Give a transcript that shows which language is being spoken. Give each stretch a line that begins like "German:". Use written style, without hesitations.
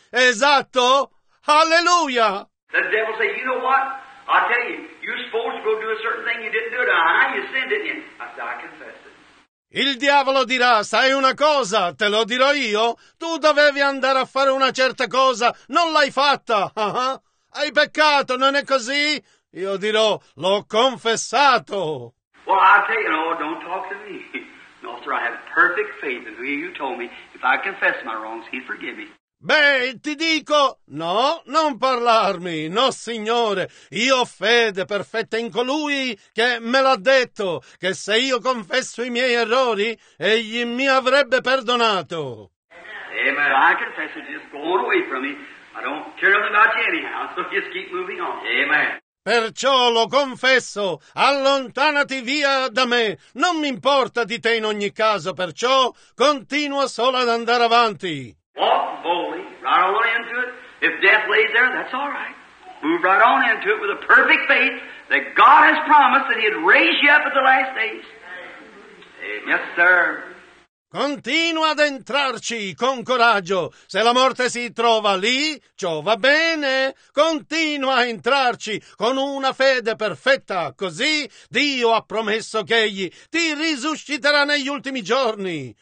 Italian: Esatto? Alleluia!
English: The devil say, you know what? I tell you, you're supposed to go do a certain thing, you didn't do it. You sinned, didn't you? I confess.
Italian: Il diavolo dirà, sai una cosa, te lo dirò io, tu dovevi andare a fare una certa cosa, non l'hai fatta, hai peccato, non è così? Io dirò, l'ho confessato.
English: Well, I tell you, no, don't talk to me. No, sir, I have perfect faith in who you told me. If I confess my wrongs, he'd forgive me.
Italian: Beh, ti dico, no, non parlarmi, no signore, io ho fede perfetta in colui che me l'ha detto, che se io confesso i miei errori, egli mi avrebbe perdonato.
English: Amen. Well, I confess it, just going away from me, I don't care about you anyhow, so just keep moving on. Amen.
Italian: Perciò lo confesso, allontanati via da me, non mi importa di te in ogni caso, perciò continua solo ad andare avanti.
English: Walk boldly, right on into it. If death lays there, that's all right. Move right on into it with a perfect faith that God has promised that He'd raise you up at the last days. Amen. Yes, sir.
Italian: Continua ad entrarci con coraggio. Se la morte si trova lì, ciò va bene. Continua a entrarci con una fede perfetta. Così Dio ha promesso che Egli ti risusciterà negli ultimi giorni.